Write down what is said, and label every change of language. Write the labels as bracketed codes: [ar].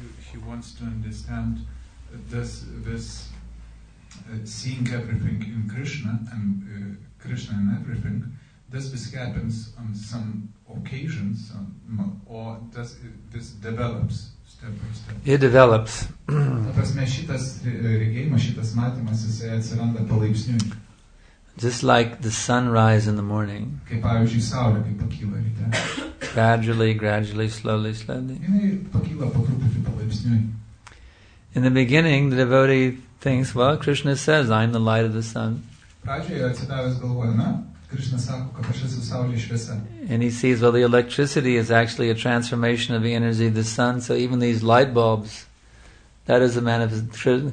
[en] He wants to understand, does this seeing everything in Krishna and Krishna in everything, does this happen on some occasions or does this develops step by step? It develops. [lt] Ta prasme, šitas regėjimas, šitas matymas, jis atsiranda palaipsniui. [en] Just like the sunrise in the morning. [lt] Kaip pavyzdžiui, saulė, kaip pakyla ryte. [en] Gradually, slowly, slowly. In the beginning, the devotee thinks, well, Krishna says, I'm the light of the sun. And he sees, well, the electricity is actually a transformation of the energy of the sun, so even these light bulbs, that is a manifestation.